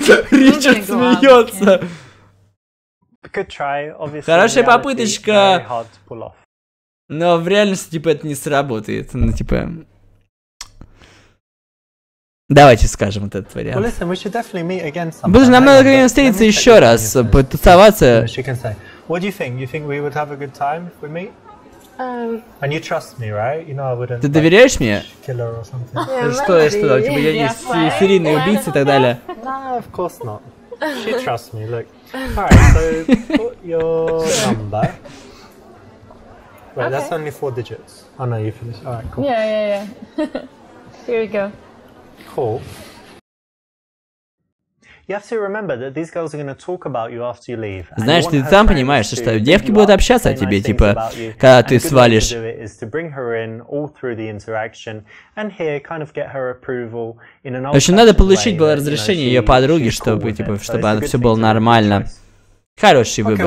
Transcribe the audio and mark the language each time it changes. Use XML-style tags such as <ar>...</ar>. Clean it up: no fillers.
<ru>Ричард смеется. Хорошая попыточка. Но в реальности, типа, это не сработает. Ну, типа. Давайте скажем вот этот вариант. Блин, нам надо как-нибудь встретиться еще раз, потусоваться.</ru> <en>What do you think? You think we would have a good time if we meet? And you trust me, right? You know I wouldn't.</en> <ru>Ты доверяешь мне?</ru> <en>Killer or something. Yeah,</en> <ru>что я что, типа я не серийный убийца и так далее?</ru> <en>No, of course not. She trusts me. Look. Alright, so put your number. Wait, okay. That's only four digits. Oh no, you finished. Alright, cool. Yeah. Here we go. Cool. You have to remember that these girls are going to talk about you after you leave.</en> <ru>Знаешь, ты сам понимаешь, что девки будут общаться о тебе, типа, когда ты свалишь. Вообще, надо получить было разрешение ее подруги, чтобы, типа, чтобы она все было нормально. Хороший выбор.</ru>